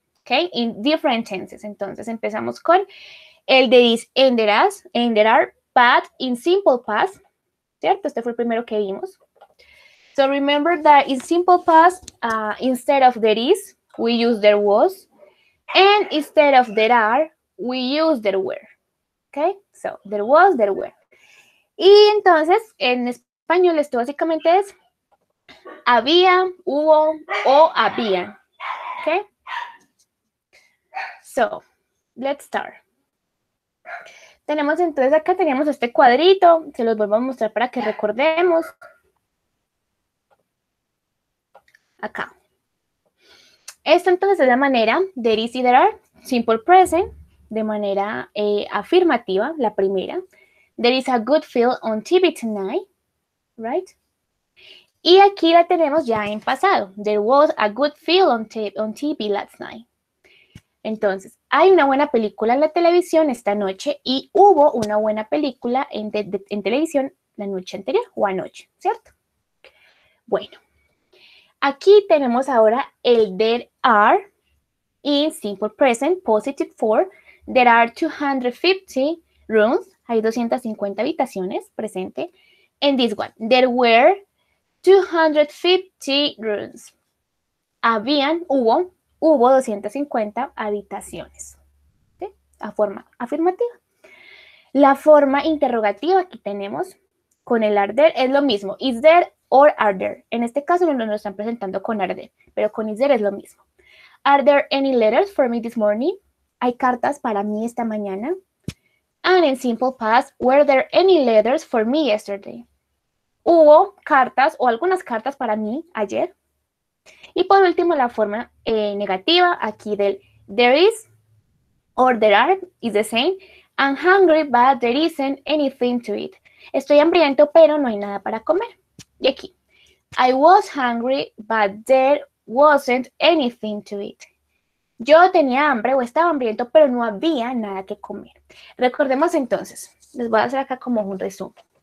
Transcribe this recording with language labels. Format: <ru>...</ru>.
<en>Okay? In different tenses.</en> <es>Entonces empezamos con el</es> <en>there is and there are, but in simple past. ¿Cierto?</en> <es>Este fue el primero que vimos.</es> <en>So remember that in simple past, instead of there is, we use there was. And instead of there are, we use there were. Okay? So there was, there were.</en> <es>Y entonces, en español esto básicamente es había, hubo o habían. Okay?</es> <en>So, let's start.</en> <es>Tenemos entonces acá, teníamos este cuadrito, se los vuelvo a mostrar para que recordemos. Acá. Esta entonces es la manera, there is y there are, simple present, de manera afirmativa, la primera.</es> <en>There is a good feel on TV tonight, right?</en> <es>Y aquí la tenemos ya en pasado.</es> <en>There was a good feel on TV last night.</en> <es>Entonces, hay una buena película en la televisión esta noche y hubo una buena película en televisión la noche anterior o anoche, ¿cierto? Bueno, aquí tenemos ahora el there are in simple present, positive form.</es> <en>There are 250 rooms.</en> <es>Hay 250 habitaciones presente en</es> <en>this one. There were 250 rooms.</en> <es>Hubo 250 habitaciones. ¿Sí? A forma afirmativa. La forma interrogativa que tenemos con el are there es lo mismo.</es> <en>Is there or are there?</en> <es>En este caso no nos están presentando con are there, pero con is there es lo mismo.</es> <en>Are there any letters for me this morning?</en> <es>¿Hay cartas para mí esta mañana?</es> <en>And in simple past, were there any letters for me yesterday?</en> <es>¿Hubo cartas o algunas cartas para mí ayer? Y por último, la forma negativa aquí del there is or there are</es> <en>is the same. I'm hungry, but there isn't anything to eat.</en> <es>Estoy hambriento, pero no hay nada para comer.</es> <en>Y aquí, I was hungry, but there wasn't anything to eat.</en> <es>Yo tenía hambre o estaba hambriento, pero no había nada que comer. Recordemos entonces, les voy a hacer acá como un resumen.</es>